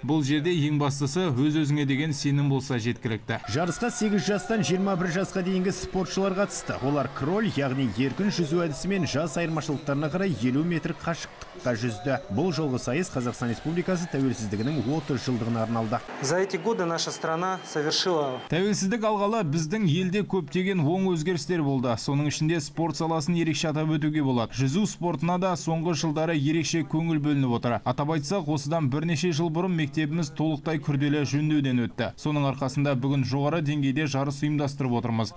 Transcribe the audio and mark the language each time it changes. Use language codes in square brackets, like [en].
[kk] Бұл жерде ең бастысы өз-өзіңе деген сенім болса жеткілікті. Жарысқа 8 жастан 21 жасқа дейінгі спортшылар қатысты. Олар кроль, яғни еркін жүзу әдісімен жас айырмашылықтарына қарай 50 метр қашықтыққа жүзді. Бұл жолғы сайыс Қазақстан Республикасы тәуелсіздігінің 30 жылдығына арналды. [ru] За эти годы наша страна совершила. [kk] Тәуелсіздік алғалы біздің елде көптеген оң өзгерістер болды. Соның ішінде спорт саласын ерекше атап өтуге болады. Жүзу спортына да соңғы жылдары ерекше көңіл бөлініп отыр. Атап айтсақ, осыдан бірнеше жыл бұрын мектебіміз толықтай күрделі жөндеуден өтті. Соның арқасында бүгін жоғары деңгейде жарыс ұйымдастырып отырмыз.